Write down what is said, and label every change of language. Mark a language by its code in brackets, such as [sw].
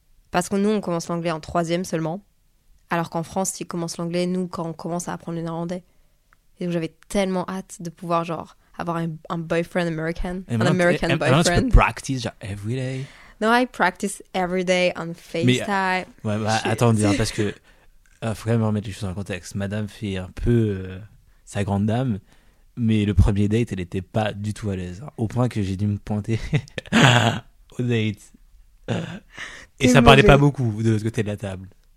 [fr] Parce que nous, on commence l'anglais en troisième seulement, alors qu'en France, ils commencent l'anglais, nous, quand on commence à apprendre le néerlandais. Et donc, j'avais tellement hâte de pouvoir, genre, avoir un boyfriend American. Et tu peux practice, genre, [en] every day. No, I practice every day on FaceTime. [fr] Mais, ouais, bah, attends, parce que faut quand même remettre les choses dans le contexte. Madame fait un peu sa grande dame, mais le premier date, elle n'était pas du tout à l'aise. Hein, au point que j'ai dû me pointer au date. Et ça ne parlait pas beaucoup de l'autre côté de la table.